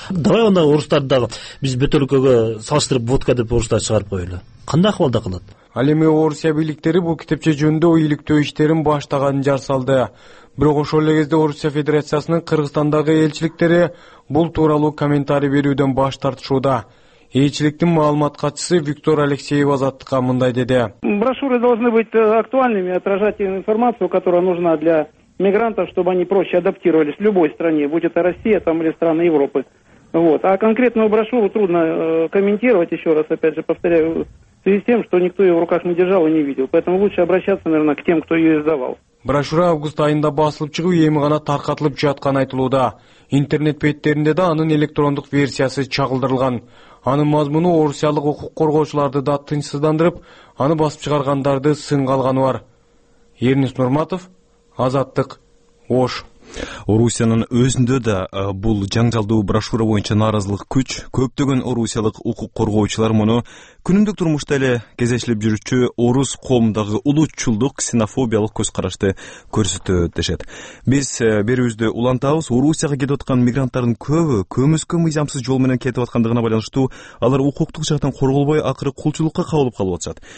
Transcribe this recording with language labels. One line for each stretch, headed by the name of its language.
Kyrgyz: Давай анда орустар дагы биз өлкөгө салыштырып водка деп орустар чыгарып койлу. Кандай акыбалда калат? Ал эми Орусия бийликтери бул китепче жөнүндө ийликтөө иштерин баштаганын жар салды. Бирок ошол эле кезде Орусия Федерациясынын Кыргызстандагы элчиликтери бул тууралуу комментарий берүүдөн баш тартышууда. Элчиликтин маалымат катчысы Виктор Алексеев азаттыкка мындай деди.
Russian: Брошюры должны быть актуальными, отражать информацию, которая нужна для мигрантов, чтобы они проще адаптировались в любой стране, будь это Россия там или страны Европы. Вот. А конкретную брошюру трудно комментировать, еще раз опять же повторяю, в связи с тем, что никто ее в руках не держал и не видел. Поэтому лучше обращаться, наверное, к тем, кто ее издавал.
Kyrgyz: Брошюра август айында басылып чыгып, эми гана таркатылып жаткан айтылууда. Интернет беттеринде да анын электрондук версиясы чагылдырылган. Анын мазмуну орусиялык укук коргоочуларды да тынчсыздандырып, аны басып чыгаргандарды сынга алганы бар. Эрнис Нурматов, Азаттык, Ош. Орусиянын өзүндө да бул жаңжалдуу брошюра боюнча нааразылык күч. Көптөгөн орусиялык укук коргоочулар муну күнүмдүк турмушта эле кездешилип жүрүүчү орус коомундагы улутчулдук, ксенофобиялык көз карашты көрсөтөт дешет. Биз берүүбүздө улантабыз, Орусияга кетип аткан мигранттардын көбү көмүскө мыйзамсыз жол менен кетип аткандыгына байланыштуу алар укуктук жактан корголбой, акыры кулчулукка кабылып калып атышат.